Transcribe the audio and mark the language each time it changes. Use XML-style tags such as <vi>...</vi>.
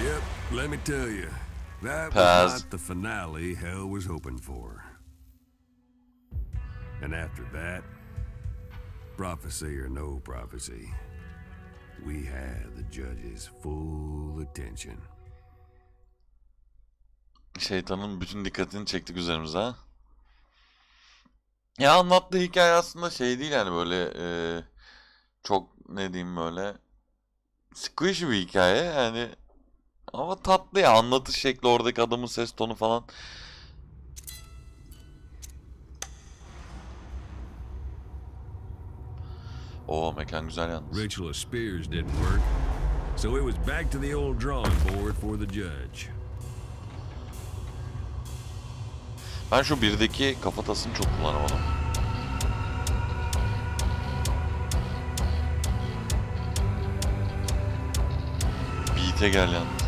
<en>Yep, let me tell you. That Paz. Was not the finale Hell was hoping for. And after that, prophecy or no prophecy, we had the judge's full attention.</en> <tr>Şeytanın bütün dikkatini çektik üzerimize. Ya anlattığı hikaye aslında şey değil yani böyle çok ne diyeyim böyle squishy bir hikaye yani ama tatlı ya anlatış şekli oradaki adamın ses tonu falan. Oo mekan güzel yalnız.</tr> <en>Ritual of Spears didn't work. So it was back to the old drawing board for the judge.</en> <tr>Ben şu birdeki kafatasını çok kullanamadım. Beat'e gel lan.</tr>